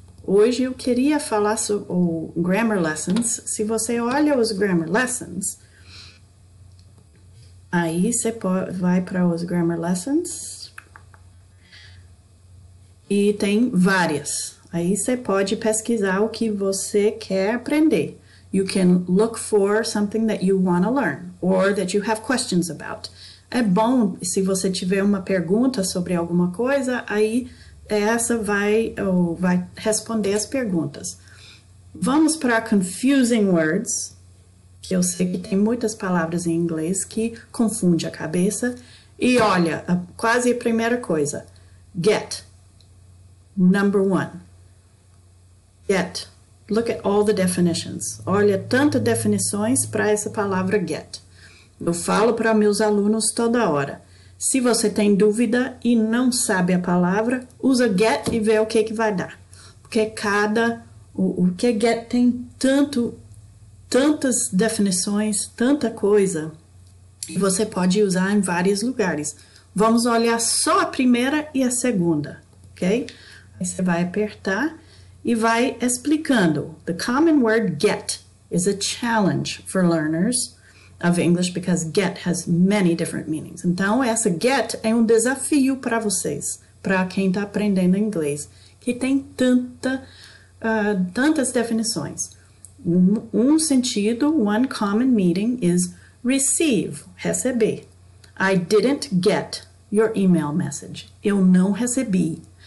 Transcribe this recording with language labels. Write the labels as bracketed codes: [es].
[pt] Hoje eu queria falar sobre o grammar lessons. Se você olha os grammar lessons, aí você vai para os grammar lessons e tem várias. Aí você pode pesquisar o que você quer aprender. [en] You can look for something that you want to learn or that you have questions about. [pt] É bom, se você tiver uma pergunta sobre alguma coisa, aí essa vai responder as perguntas. Vamos para confusing words, que eu sei que tem muitas palavras em inglês que confunde a cabeça. E olha, quase a primeira coisa. Get. [en] Number one. [pt] Get. [en] Look at all the definitions. [pt] Olha tantas definições para essa palavra get. Eu falo para meus alunos toda hora. Se você tem dúvida e não sabe a palavra, usa get e vê o que, que vai dar. Porque cada... O que get tem tanto... Tantas definições, tanta coisa. E você pode usar em vários lugares. Vamos olhar só a primeira e a segunda, ok? Aí você vai apertar. E vai explicando. [en] The common word get is a challenge for learners of English because get has many different meanings. [pt] Então, essa get é um desafio para vocês, para quem está aprendendo inglês, que tem tantas definições. Um sentido, [en] one common meaning is receive, receber. I didn't get your email message. [pt] Eu não recebi.